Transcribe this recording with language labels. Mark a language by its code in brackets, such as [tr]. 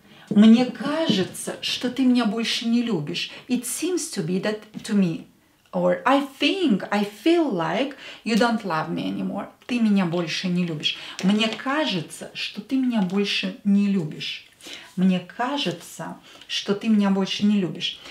[ru] Мне кажется, что ты меня больше не любишь. [en] It seems to be that to me. Or I think, I feel like you don't love me anymore. [ru] Ты меня больше не любишь. Мне кажется, что ты меня больше не любишь. Мне кажется, что ты меня больше не любишь.